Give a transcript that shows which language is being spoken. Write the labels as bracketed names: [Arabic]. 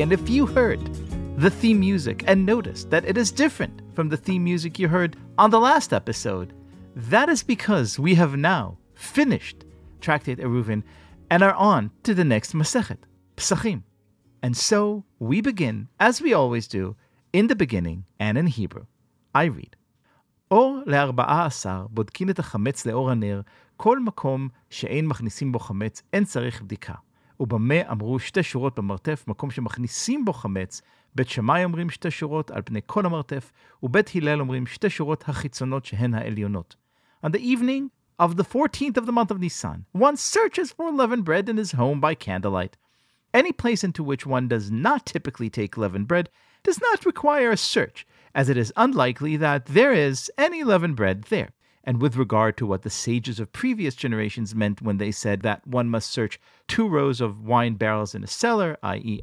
[English] And if you heard the theme music and noticed that it is different from the theme music you heard on the last episode, that is because we have now finished Tractate Eruvin and are on to the next Masechet, Pesachim. And so we begin, as we always do, in the beginning and in Hebrew. I read. [Hebrew] אור לארבעה עשר בודקין את החמץ לאור הנר, כל מקום שאין מכניסים בו חמץ אין צריך בדיקה. ובמה אמרו שתי שורות במרתף, מקום שמכניסים בו חמץ, בית שמאי אומרים שתי שורות על פני כל המרתף, ובית הלל אומרים שתי שורות החיצונות שהן העליונות. [English] On the evening of the 14th of the month of Nisan, one searches for leavened bread in his home by candlelight. Any place into which one does not typically take leavened bread does not require a search, as it is unlikely that there is any leavened bread there. And with regard to what the sages of previous generations meant when they said that one must search two rows of wine barrels in a cellar, i.e.